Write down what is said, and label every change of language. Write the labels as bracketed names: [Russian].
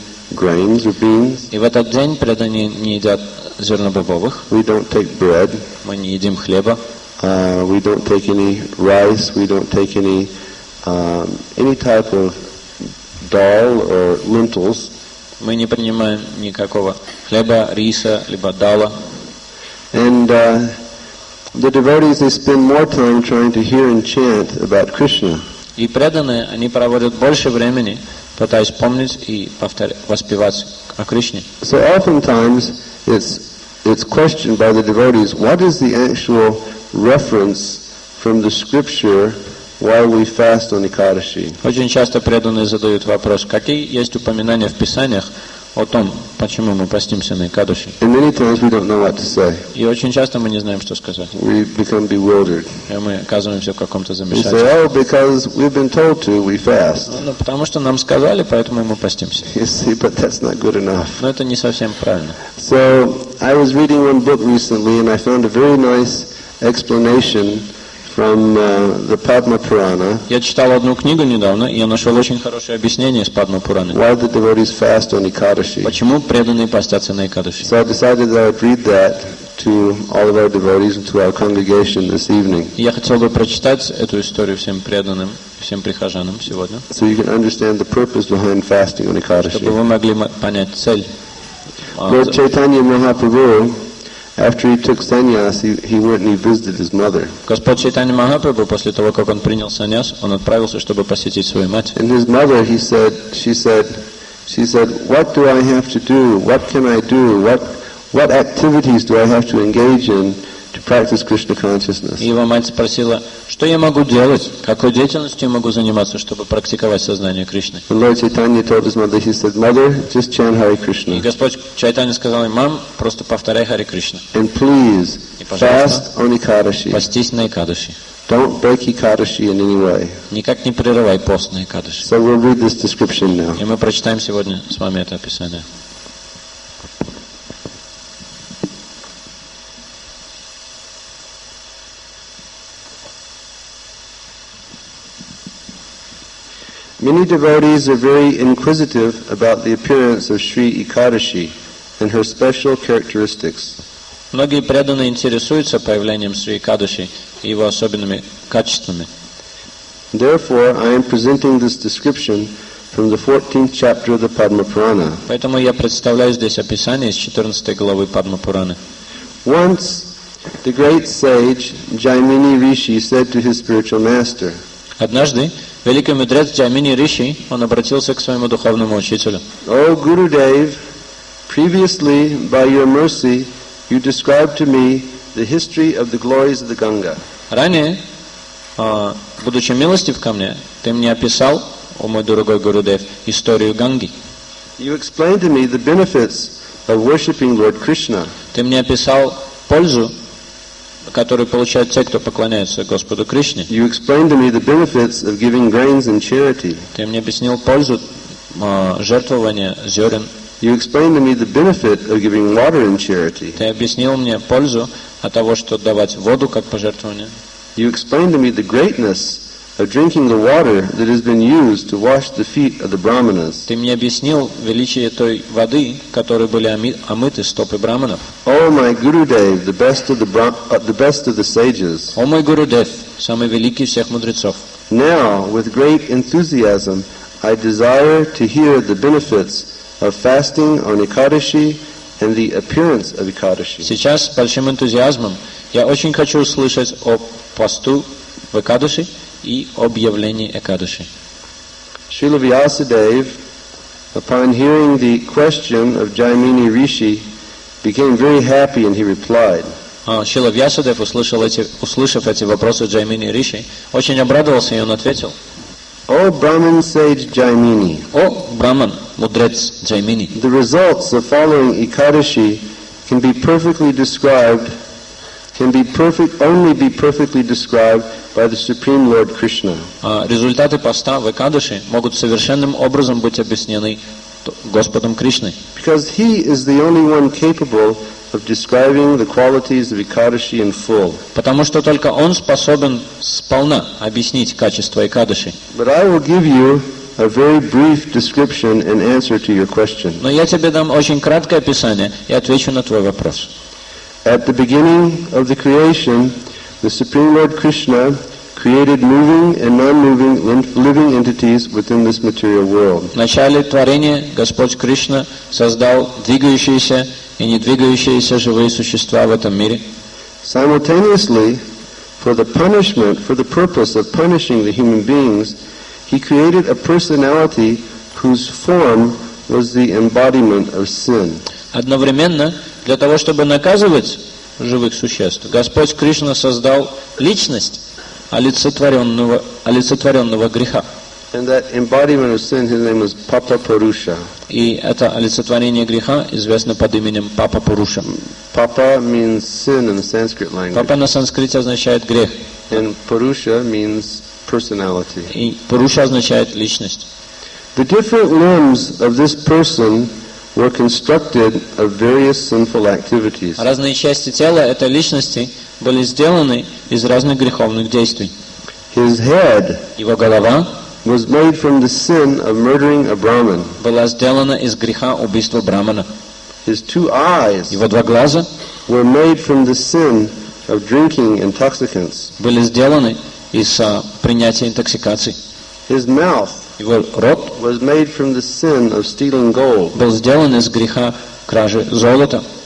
[Russian] И в этот день преданные не едят зернобобовых. [English] We don't take bread. [Russian] Мы не едим хлеба. [English] We don't take any rice. We don't take any type of dal or lentils. [Russian] Мы не принимаем никакого хлеба, риса либо дала. [English] And the devotees, they spend more time trying to hear and chant about Krishna. [Russian] И преданные, они проводят больше времени, пытаясь помнить и воспевать о Кришне. [English] So oftentimes it's questioned by the devotees, what is the actual reference from the scripture while we fast on Ekadashi? [Russian] Очень часто преданные задают вопрос, какие есть упоминания в Писаниях о том, почему мы постимся на Экадаши. [English] And many times we don't know what to say. [Russian] И очень часто мы не знаем, что сказать. [English] We become bewildered. [Russian] И мы оказываемся в каком-то замешательстве. [English] We say, oh, because we've been told to, we fast. [Russian] Ну, потому что нам сказали, поэтому мы постимся. [English] You see, but that's not good enough. [Russian] Но это не совсем правильно. [English] So, I was reading one book recently, and I found a very nice explanation from the Padma Purana. [Russian] Я читал одну книгу недавно, и я нашел очень хорошее объяснение из Падма Пураны. [English] Why the devotees fast on Ekadashi? [Russian] Почему преданные постятся на Экадаши? [English] So I decided that I would read that to all of our devotees and to our congregation this evening. [Russian] Я хотел бы прочитать эту историю всем преданным, всем прихожанам сегодня. [English] So you can understand the purpose behind fasting on Ekadashi. [Russian] Чтобы вы могли понять цель. [English] Lord Chaitanya Mahaprabhu, after he took sannyas, he went and he visited his mother. [Russian] Господь Чайтанья Махапрабху после того, как он принял саньяс, он отправился, чтобы посетить свою мать. [English] And his mother, she said, what do I have to do? What can I do? What activities do I have to engage in to practice Krishna consciousness? [Russian] И его мать спросила, что я могу делать, какой деятельностью я могу заниматься, чтобы практиковать сознание Кришны? [English] And Lord Chaitanya told his mother, he said, mother, just chant Hare Krishna. [Russian] И Господь Чайтанья сказал ей, мам, просто повторяй Хари Кришна. [English] And please, fast on Ekadashi. [Russian] Постись на Экадаши. [English] Don't break Ekadashi in any way. [Russian] Никак не прерывай пост на Экадаши. [English] So we'll read this description now. [Russian] И мы прочитаем сегодня с вами это описание. [English] Many devotees are very inquisitive about the appearance of Sri Ekadashi and her special characteristics. [Russian] Многие преданные интересуются появлением Шри Экадаши и его особенными качествами. [English] Therefore, I am presenting this description from the 14th chapter of the Padma Purana. [Russian] Поэтому я представляю здесь описание из 14 главы Падма Пураны. [English] Once, the great sage Jaimini Rishi said to his spiritual master. [Russian] Однажды великий мудрец Джаймини Риши, он обратился к своему духовному учителю. [English] О, Гуру Дев, previously by your mercy, you described to me the history of the glories of the Ganga. [Russian] Ранее, будучи милостив ко мне, ты мне описал, о мой дорогой Гуру Дев, историю Ганги. [English] You explained to me the benefits of worshipping Lord Krishna. [Russian] Ты мне описал пользу которую получают те, кто поклоняется Господу Кришне. [English] You explained to me the benefits of giving grains and charity. [Russian] Ты мне объяснил пользу жертвования зерен. [English] You explained to me the benefit of giving water in charity. [Russian] Ты объяснил мне пользу от того, что давать воду как пожертвование. [English] You explained to me the greatness of drinking the water that has been used to wash the feet of the brahmanas. [Russian] Ты мне объяснил величие той воды, которой были омыты стопы брахманов. [English] Oh my Gurudev, the best of the sages. [Russian] О мой Гурудев, самый великий всех мудрецов. [English] Now, with great enthusiasm, I desire to hear the benefits of fasting on Ekadashi and the appearance of Ekadashi. [Russian] Сейчас с большим энтузиазмом я очень хочу услышать о посту в Экадаши и объявлении Экадаши. [English] Srila Vyasadeva, upon hearing the question of Jaimini Rishi, became very happy and he replied. [Russian] Srila Vyasadeva, услышав эти вопросы Jaimini Rishi, очень обрадовался и он ответил. [English] O Brahman sage Jaimini. [Russian] О Брахман, мудрец Джаймини. [English] The results of following Ekadashi can be perfectly described, can only be perfectly described by the Supreme Lord Krishna. [Russian] Результаты поста в Экадаши могут совершенным образом быть объяснены Господом Кришной. [English] Because he is the only one capable of describing the qualities of Ekadashi in full. [Russian] Потому что только он способен сполна объяснить качество Экадаши. [English] But I will give you a very brief description and answer to your question. [Russian] Но я тебе дам очень краткое описание и отвечу на твой вопрос. [English] At the beginning of the creation, the Supreme Lord Krishna created moving and non-moving living entities within this material world. [Russian] В начале творения Господь Кришна создал двигающиеся и недвигающиеся живые существа в этом мире. [English] Simultaneously, for the punishment, for the purpose of punishing the human beings, he created a personality whose form was the embodiment of sin. [Russian] Одновременно, для того, чтобы наказывать живых существ, Господь Кришна создал личность, олицетворенного греха. [English] And that embodiment of sin, his name is Papa Purusha. [Russian] И это олицетворение греха известно под именем Папа Пуруша. [English] Papa means sin in the Sanskrit language. [Russian] Папа на санскрите означает грех. [English] And Purusha means personality. [Russian] И Пуруша означает личность. [English] The different limbs of this person were constructed of various sinful activities. [Russian] Разные части тела этой личности были сделаны из разных греховных действий. [English] His head, [Russian] его голова, [English] was made from the sin of murdering a Brahman. [Russian] Была сделана из греха убийства брахмана. [English] His two eyes, [Russian] его два глаза, [English] were made from the sin of drinking intoxicants. [Russian] Были сделаны из принятия интоксикаций. [English] His mouth, [Russian] его рот, [English] was made from the sin of stealing gold. [Russian] Был сделан из греха кражи золота.